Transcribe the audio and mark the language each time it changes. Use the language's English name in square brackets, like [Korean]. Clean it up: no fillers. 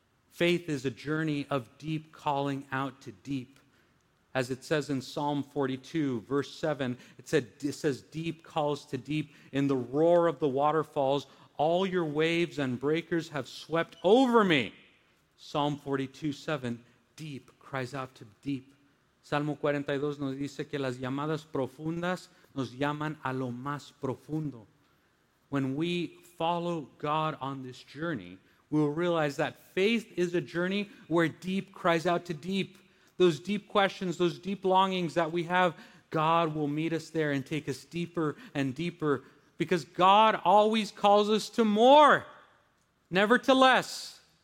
[English] Faith is a journey of deep calling out to deep. As it says in Psalm 42, verse 7, it says, deep calls to deep. In the roar of the waterfalls, all your waves and breakers have swept over me. Psalm 42, 7, deep cries out to deep. [Spanish] Salmo 42 nos dice que las llamadas profundas nos llaman a lo más profundo. [English] When we follow God on this journey, we will realize that faith is a journey where deep cries out to deep. Those deep questions, those deep longings that we have, God will meet us there and take us deeper and deeper, because God always calls us to more, never to less.